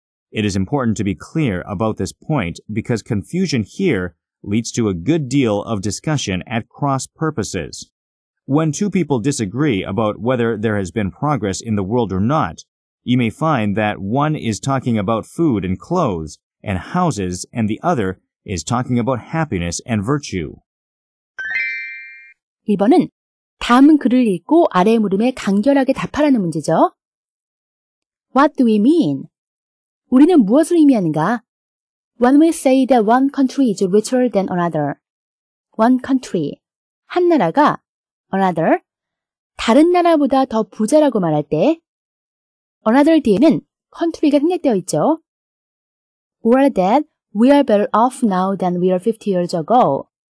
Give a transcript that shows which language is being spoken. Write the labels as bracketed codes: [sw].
[en] It is important to be clear about this point because confusion here leads to a good deal of discussion at cross purposes. When two people disagree about whether there has been progress in the world or not, you may find that one is talking about food and clothes and houses and the other is talking about happiness and virtue. [ko] 1번은 다음 글을 읽고 아래의 물음에 간결하게 답하라는 문제죠. [en] What do we mean? [ko] 우리는 무엇을 의미하는가? [en] When we say that one country is richer than another. One country. [ko] 한 나라가 [en] another. [ko] 다른 나라보다 더 부자라고 말할 때 another 뒤에는 country가 생략되어 있죠. [en] Or that we are better off now than we were 50 years ago.